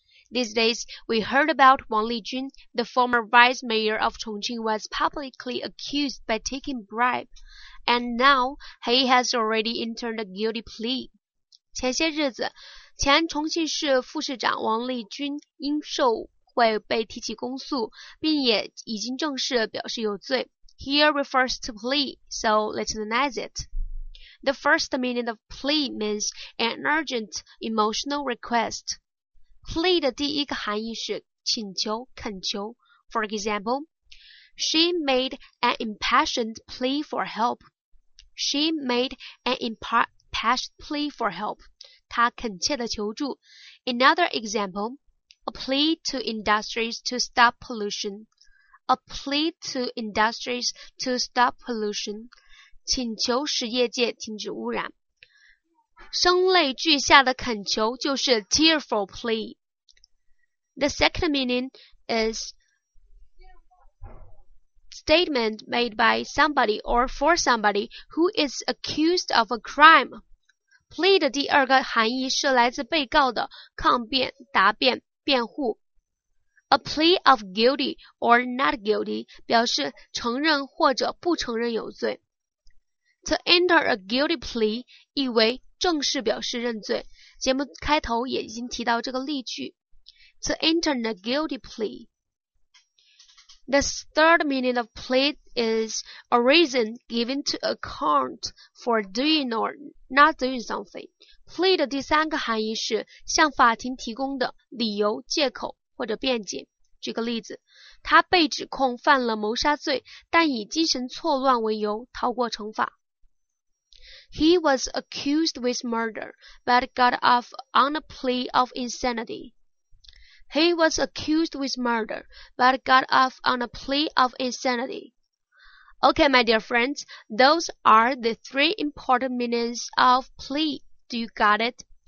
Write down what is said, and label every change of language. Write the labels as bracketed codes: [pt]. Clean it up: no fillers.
[en] These days, we heard about Wang Lijun, the former vice mayor of Chongqing, was publicly accused by taking bribe, and now he has already entered a guilty plea. [zh] 前些日子，前重庆市副市长王立军因受贿被提起公诉，并也已经正式表示有罪。 [en] Here refers to plea, so Latinize it. The first meaning of plea means an urgent emotional request. [zh] Plea 的第一个含义是请求、恳求。 [en] For example, she made an impassioned plea for help. She made an impassioned plea for help. [zh] 她恳切地求助。 [en] Another example, a plea to industries to stop pollution. A plea to industries to stop pollution. [zh] 请求使业界停止污染。声泪俱下的恳求就是 [en] tearful plea. The second meaning is statement made by somebody or for somebody who is accused of a crime. [zh] Plea 的第二个含义是来自被告的抗辩、答辩、辩护。 [en] A plea of guilty or not guilty [zh] 表示承认或者不承认有罪。 [en] To enter a guilty plea [zh] 意为正式表示认罪。节目开头也已经提到这个例句。 [en] To enter a guilty plea. The third meaning of plea is a reason given to account for doing or not doing something. [zh] Plea 的第三个含义是向法庭提供的理由、借口或者辩解。举个例子，他被指控犯了谋杀罪，但以精神错乱为由逃过惩罚。 [en] He was accused with murder, but got off on a plea of insanity. He was accused with murder, but got off on a plea of insanity. Okay, my dear friends, those are the three important meanings of plea. Do you got it?